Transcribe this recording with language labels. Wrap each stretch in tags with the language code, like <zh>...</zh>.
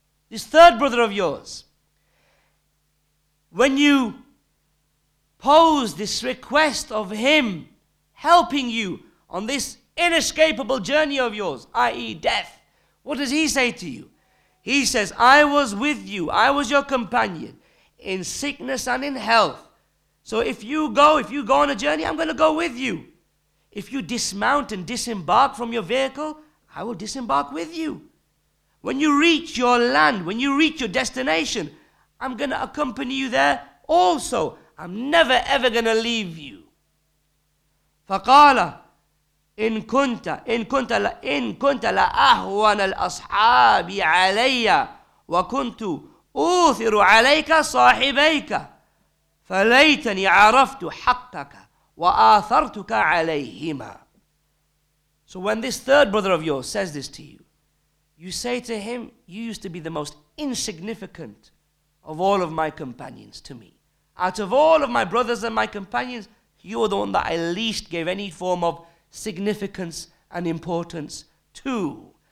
<en>This third brother of yours, when you pose this request of him helping you on this inescapable journey of yours, i.e. death, what does he say to you? He says, I was with you, I was your companion in sickness and in health. So if you go on a journey, I'm going to go with you. If you dismount and disembark from your vehicle, I will disembark with you. When you reach your land, when you reach your destination, I'm going to accompany you there also. I'm never ever going to leave you.</en> <ar>فقال إن كنت لا أهون الأصحاب علي وكنت أوثر عليك صاحبيك فليتني عرفت حقك وآثرتك عليهما.</ar> <en>So when this third brother of yours says this to you, you say to him, you used to be the most insignificant of all of my companions to me. Out of all of my brothers and my companions, you are the one that I least gave any form of significance and importance to.</en>